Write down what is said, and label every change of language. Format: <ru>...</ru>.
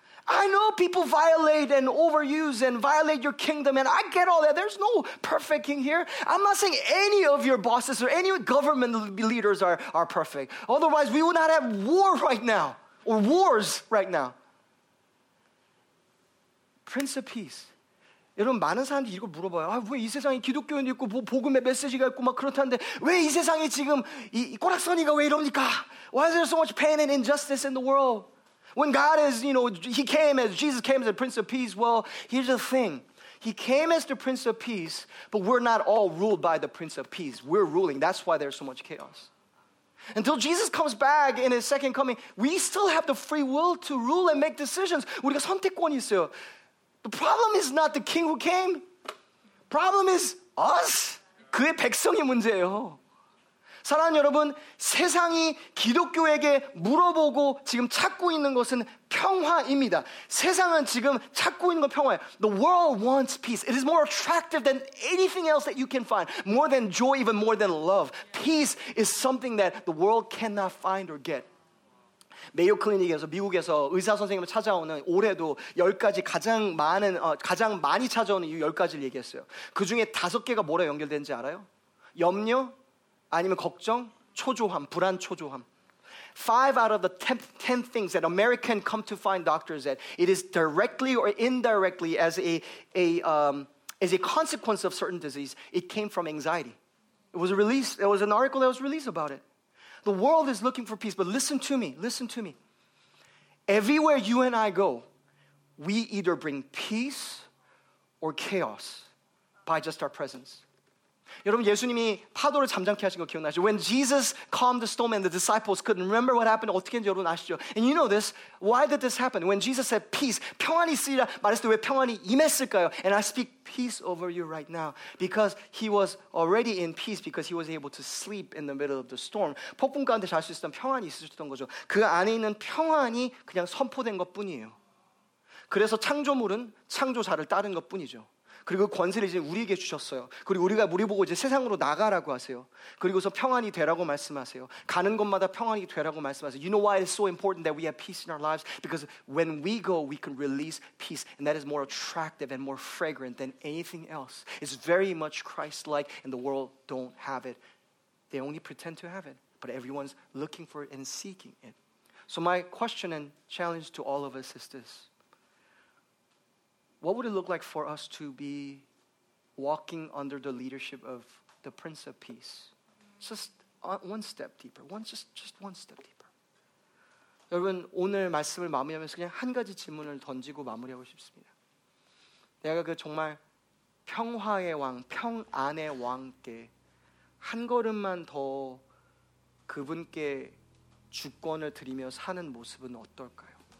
<en>I know people violate and overuse and violate your kingdom, and I get all that. There's no perfect king here. I'm not saying any of your bosses or any government leaders are perfect. Otherwise, we would not have war right now or wars right now. Prince of Peace.</en> <ko>여러분 많은 사람들이 이걸 물어봐요. 아, 왜 이 세상에 기독교인도 있고 복음의 메시지가 있고 막 그렇다는데 왜 이 세상에 지금 이 꼬락서니가 왜 이럽니까?</ko> <en>Why is there so much pain and injustice in the world? When God is, you know, he came as, Jesus came as the Prince of Peace, well, here's the thing. He came as the Prince of Peace, but we're not all ruled by the Prince of Peace. We're ruling. That's why there's so much chaos. Until Jesus comes back in his second coming, we still have the free will to rule and make decisions.</en> <ko>우리가 선택권이 있어요.</ko> <en>The problem is not the king who came. Problem is us.</en> <ko>그의 백성이 문제예요. 사랑하는 여러분, 세상이 기독교에게 물어보고 지금 찾고 있는 것은 평화입니다. 세상은 지금 찾고 있는 건 평화예요.</ko> <en>The world wants peace. It is more attractive than anything else that you can find. More than joy, even more than love. Peace is something that the world cannot find or get.</en> <ko>메이오 클리닉에서 미국에서 의사 선생님을 찾아오는 올해도 10가지 가장 많은 가장 많이 찾아오는 이 10가지를 얘기했어요. 그중에 5개가 뭐라 연결되는지 알아요? 염려 아니면 걱정, 초조함, 불안, 초조함.</ko> <en>Five out of the ten things that Americans come to find doctors at, it is directly or indirectly as a consequence of certain disease. It came from anxiety. It was released. There was an article that was released about it. The world is looking for peace, but listen to me, listen to me. Everywhere you and I go, we either bring peace or chaos by just our presence.</en> <ko>여러분, 예수님이 파도를 잠잠케 하신 거 기억나시죠?</ko> <en>When Jesus calmed the storm and the disciples couldn't remember what happened,</en> <ko>어떻게 했는지 여러분 아시죠?</ko> <en>And you know this, why did this happen? When Jesus said peace,</en> <ko>평안이 있으리라 말했을 때 왜 평안이 임했을까요?</ko> <en>And I speak peace over you right now because he was already in peace because he was able to sleep in the middle of the storm.</en> <ko>폭풍 가운데 잘 수 있었던 평안이 있었던 거죠. 그 안에 있는 평안이 그냥 선포된 것뿐이에요. 그래서 창조물은 창조자를 따른 것뿐이죠. 그리고 권세를 이제 우리에게 주셨어요. 그리고 우리가 우리 보고 이제 세상으로 나가라고 하세요. 그리고서 평안이 되라고 말씀하세요. 가는 곳마다 평안이 되라고 말씀하세요.</ko> <en>You know why it's so important that we have peace in our lives? Because when we go, we can release peace. And that is more attractive and more fragrant than anything else. It's very much Christ-like and the world don't have it. They only pretend to have it. But everyone's looking for it and seeking it. So my question and challenge to all of us is this. What would it look like for us to be walking under the leadership of the Prince of Peace? Just one step deeper. Just one step deeper.</en> <ko>여러분, 오늘 말씀을 마무리하면서 그냥 한 가지 질문을 던지고 마무리하고 싶습니다. 내가 그 정말 평화의 왕, 평안의 왕께 한 걸음만 더 그분께 주권을 드리며 사는 모습은 어떨까요?</ko>